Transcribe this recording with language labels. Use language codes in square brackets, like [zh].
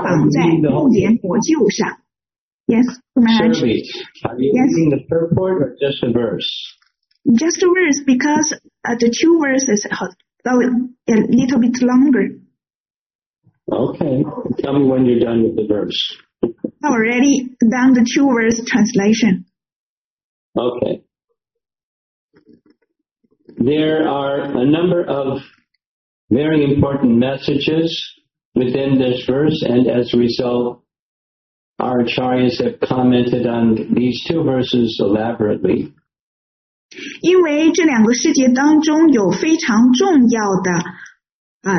[zh] 所以虽然是万事万物的原因和结果，但自己本身并没有因果的区别。这位超越感官知觉的不展示之人，现在显现为一个人类孩童，而母亲亚修达把他视为是自己平凡的孩子，要用一根绳子把他绑在木莲薄柱上。 [en] Yes, Just a verse, because the two verses are a little bit longer. Okay, tell me when you're done with the verse. I've already done the two verse translation. Okay. There are a number of very important messages within this verse, and as a result, our acharyas have commented on these two verses elaborately. [zh] 因为这两个世界当中有非常重要的